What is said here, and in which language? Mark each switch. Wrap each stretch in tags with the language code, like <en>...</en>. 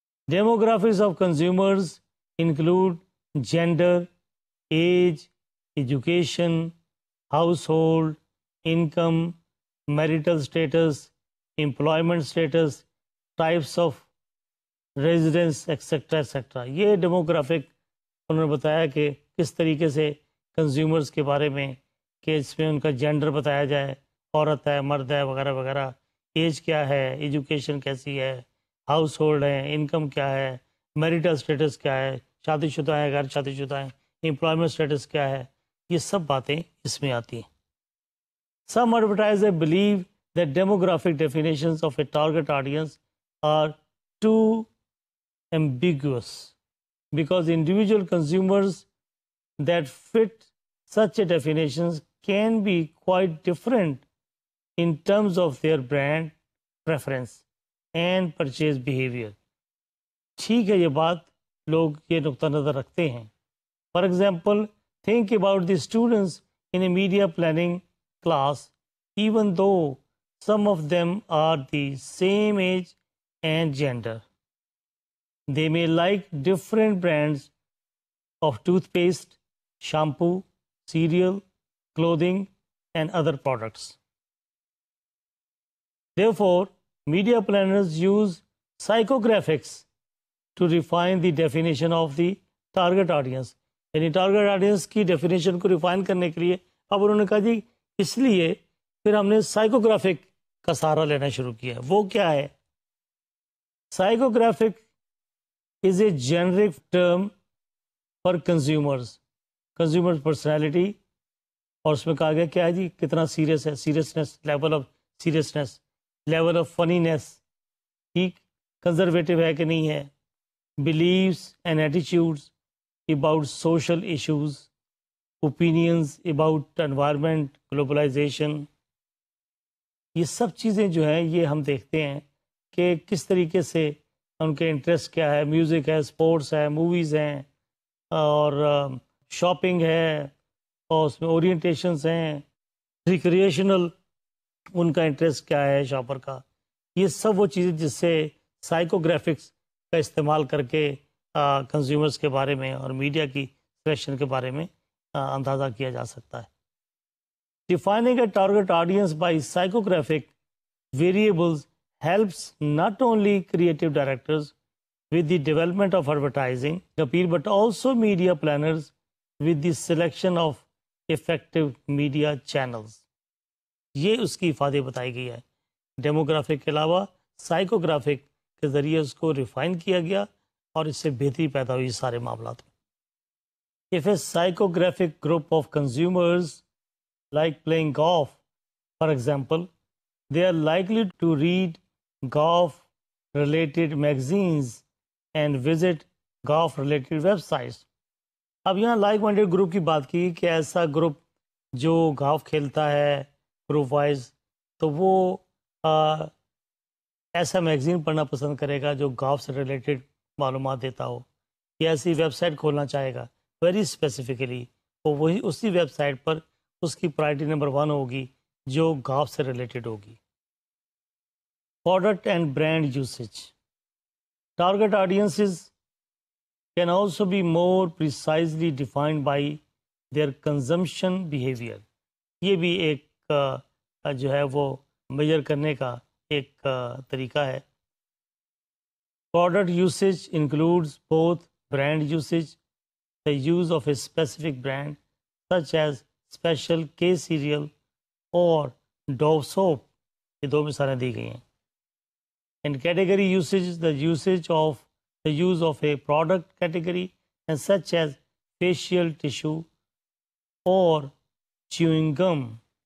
<en>Demographics of consumers include gender, age, education, household, income, marital status, employment status, types of residence, etc., etc.</en> <hi>ये demographic उन्होंने बताया कि किस तरीके से consumers के बारे में कि इसमें उनका gender बताया जाए, औरत है, मर्द है, वगैरह वगैरह, age क्या है, education कैसी है, household है, income क्या है, marital status क्या है, शादीशुदा है, गैर शादीशुदा है, employment status क्या है, ये सब बातें इसमें आती हैं.</hi> <en>Some advertisers believe that demographic definitions of a target audience are too ambiguous because individual consumers that fit such a definitions can be quite different in terms of their brand preference and purchase behavior.</en> <hi>ठीक है ये बात लोग ये नुकता नजर रखते हैं.</hi> <en>For example, think about the students in a media planning class, even though some of them are the same age and gender. They may like different brands of toothpaste, shampoo, cereal, clothing, and other products. Therefore, media planners use psychographics to refine the definition of the target audience.</en> <hi>Any target audience ki definition ko refine karne ke liye, ab unhone kaha ji, isliye फिर हमने psychographic का सहारा लेना शुरू किया. वो क्या है?</hi> <en>Psychographic is a generic term for consumers, consumer personality.</en> <hi>और उसमें कहा गया क्या है जी, कितना सीरियस है, seriousness, level of seriousness, level of funniness, ठीक, कंजर्वेटिव है कि नहीं है,</hi> <en>beliefs and attitudes about social issues, opinions about environment,</en> <hi>globalisation, ये सब चीज़ें जो हैं ये हम देखते हैं कि किस तरीके से उनके इंटरेस्ट क्या है. म्यूज़िक है, स्पोर्ट्स है, मूवीज़ हैं, और शॉपिंग है, और उसमें ओरिएंटेशंस हैं, रिक्रिएशनल उनका इंटरेस्ट क्या है शॉपर का, ये सब वो चीज़ें जिससे साइकोग्राफिक्स का इस्तेमाल करके कंज्यूमर्स के बारे में और मीडिया की सिलेक्शन के बारे में अंदाज़ा किया जा सकता है.</hi> <en>Defining a target audience by psychographic variables helps not only creative directors with the development of advertising appeal, but also media planners with the selection of effective media channels.</en> <hi>ये उसकी फायदे बताई गई है. Demographic के अलावा psychographic के जरिए उसको refine किया गया और इससे बेहतरी पैदा हुई सारे मामलों में.</hi> <en>If a psychographic group of consumers like playing golf, for example, they are likely to read golf related magazines and visit golf related websites.</en> <hi>Ab yahan like minded group ki baat ki, ki aisa group jo golf khelta hai group wise, to wo aisa magazine padhna pasand karega jo golf se related malumat deta ho, ya aisi website kholna chahega. Very specifically wo wahi usi website par उसकी priority number one होगी जो गाफ से related होगी.</hi> <en>Product and brand usage. Target audiences can also be more precisely defined by their consumption behaviour.</en> <hi>ये भी एक जो है वो मेजर करने का एक तरीका है.</hi> <en>Product usage includes both brand usage, the use of a specific brand such as special K cereal or Dove soap,</en> <hi>ये दो मिसालें दी गई हैं.</hi> <en>And category usage is the usage of the use of a product category and such as facial tissue or chewing gum.</en>